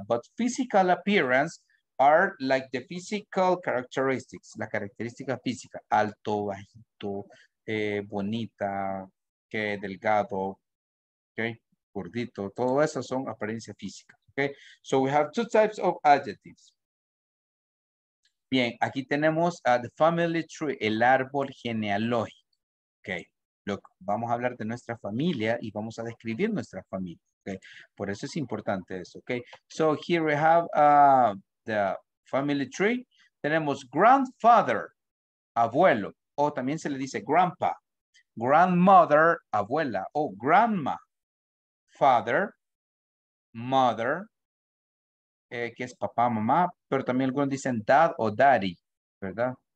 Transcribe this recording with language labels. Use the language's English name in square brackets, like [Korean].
[English] But physical appearance are like the physical characteristics, [Spanish] la característica física, alto, bajito, bonita, okay, delgado, okay, gordito, todo eso son apariencia física. Okay? [English] So we have two types of adjectives. [Spanish] Bien, aquí tenemos [English] the family tree, [Spanish] el árbol genealógico. Okay, look, vamos a hablar de nuestra familia y vamos a describir nuestra familia. Okay, por eso es importante eso. [English] Okay, so here we have the family tree. [Spanish] Tenemos grandfather, abuelo, o también se le dice grandpa, grandmother, abuela, o grandma, father, mother, que es papá, mamá, pero también algunos dicen dad o daddy, ¿verdad?